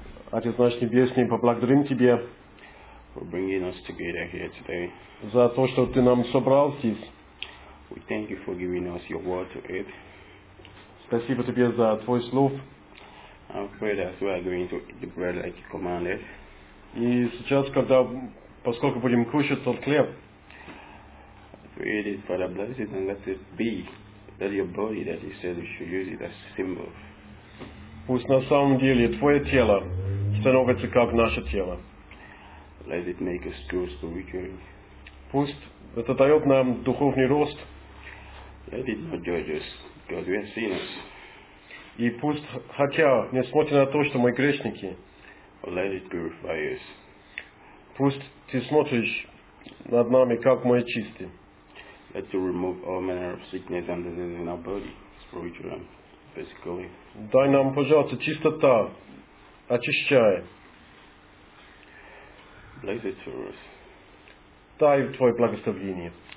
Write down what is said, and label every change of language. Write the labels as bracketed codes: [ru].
[ru] Отец наш Небесный, поблагодарим Тебя [en] for bringing us together here today. [ru] За то, что Ты нам собрал здесь. [en] We thank you for giving us your word to eat. [ru] Спасибо Тебе за Твой слов. [en] I pray that we are going to eat the bread like you commanded. [ru] И сейчас, когда, поскольку будем кушать тот хлеб, [en] to eat it, Father, bless it and let it be that your body that you said we should use it as a symbol. [ru] Пусть на самом деле Твое тело становится как наше тело. [en] Let it make us grow spiritually. [ru] Пусть это дает нам духовный рост. [en] Let it not judge us, because we are sinners. [ru] И пусть, хотя, несмотря на то, что мы грешники, [en] let it purify us. [ru] Пусть Ты смотришь над нами, как мы чисты. [en] Let you remove all manner of sickness and disease in our body, spiritually and physically. [ru] Дай нам, пожалуйста, чистота. Очищай. [en] Bless it for us. [ru] Дай Твое благословение.